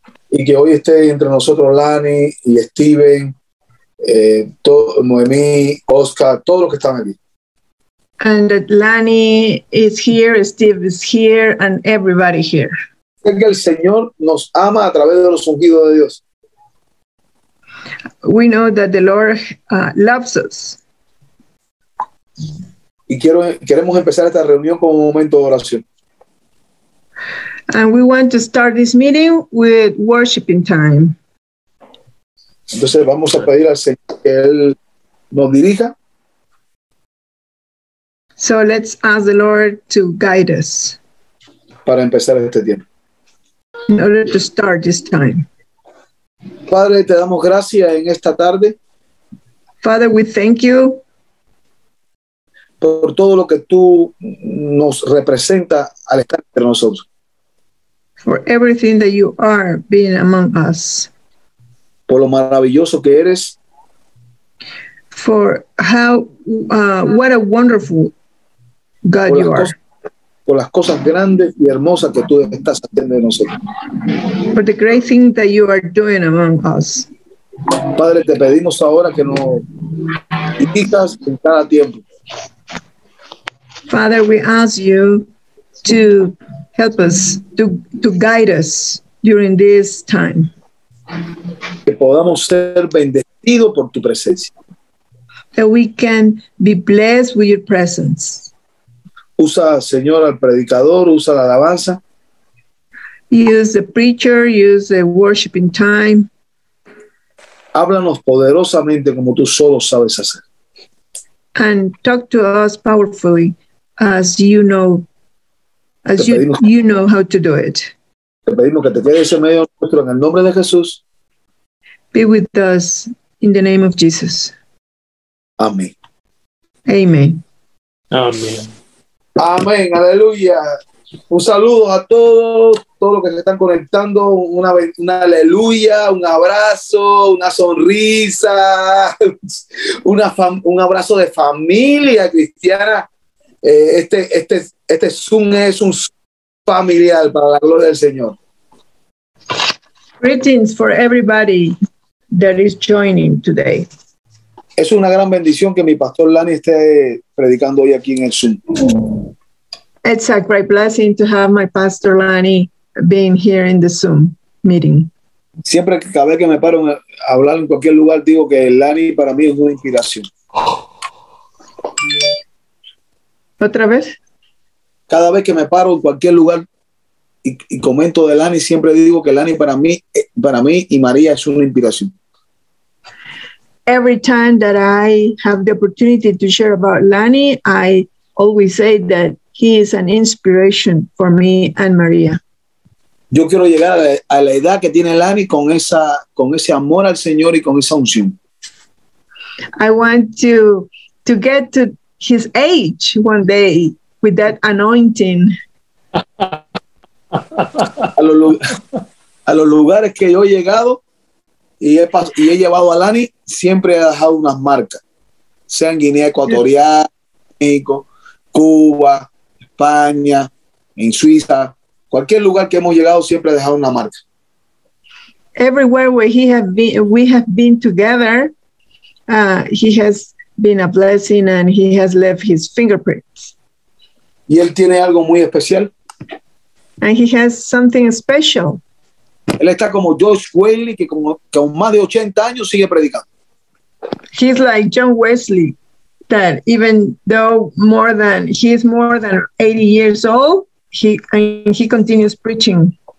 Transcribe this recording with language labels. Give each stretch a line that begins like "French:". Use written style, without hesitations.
Spanish: Y que hoy esté entre nosotros Lani y Steven, Noemí, Oscar, todos los que están aquí.
English: And that Lani is here, Steve is here, and everybody here.
Spanish: Sé que el Señor nos ama a través de los ungidos de Dios.
English: We know that the Lord loves us.
Spanish: Y quiero, queremos empezar esta reunión con un momento de oración.
English: And we want to start this meeting with worshiping time.
Spanish: Entonces vamos a pedir al Señor que Él nos dirija.
English: So let's ask the Lord to guide us.
Spanish: Para empezar este tiempo.
English: In order to start this time.
Spanish: Padre, te damos gracias en esta tarde.
English: Father, we thank you.
Spanish: Por todo lo que tú nos representa al estar entre nosotros.
English: For everything that you are being among us.
Spanish: Por lo maravilloso que eres.
English: For how, what a wonderful God you are.
Spanish: Por las cosas grandes y hermosas que tú estás haciendo en nosotros.
English: For the great thing that you are doing among us.
Spanish: Padre, te pedimos ahora que nos dirijas en cada tiempo.
English: Father, we ask you to help us, to guide us during this time.
Spanish: Que podamos ser bendecidos por tu presencia.
English: That we can be blessed with your presence.
Spanish: Usa, Señor, al predicador, usa la alabanza.
English: Use the preacher, use the worshiping time.
Spanish: Háblanos poderosamente como tú solo sabes hacer.
English: And talk to us powerfully as you know, as
Spanish: te pedimos,
English: you know how to do it.
Spanish: Te pedimos que te quedes en medio nuestro en el nombre de Jesús.
English: Be with us in the name of Jesus.
Spanish: Amén.
English: Amen.
Spanish: Amén. Amén, aleluya. Un saludo a todos, todos los que se están conectando. Una aleluya, un abrazo, una sonrisa, un abrazo de familia cristiana. Este Zoom es un familiar para la gloria del Señor.
English: Greetings for everybody that is joining today.
Spanish: Es una gran bendición que mi pastor Lani esté predicando hoy aquí en el Zoom.
English: It's a great blessing to have my pastor Lani being here in the Zoom meeting.
Spanish: Siempre que cada vez que me paro a hablar en cualquier lugar digo que Lani para mí es una inspiración. ¿Otra vez? Cada vez que me paro en cualquier lugar y comento de Lani, siempre digo que Lani para mí y María es una inspiración.
English: Every time that I have the opportunity to share about Lani, I always say that he is an inspiration for me and María.
Spanish: Yo quiero llegar a la edad que tiene Lani con ese amor al Señor y con esa unción.
English: I want to get to his age one day with that anointing.
Spanish: A los lugares que yo he llegado y he llevado a Lani, siempre ha dejado unas marcas, sea en Guinea Ecuatorial, México, Cuba, España, en Suiza, cualquier lugar que hemos llegado siempre ha dejado una marca.
English: Everywhere where he has been, we have been together, he has been a blessing and he has left his fingerprints.
Spanish: Y él tiene algo muy especial.
English: And he has something special.
Spanish: Él está como George Wesley, que con más de 80 años sigue predicando.
English: He's like John Wesley, that even though he's more than 80 years old, he continues preaching.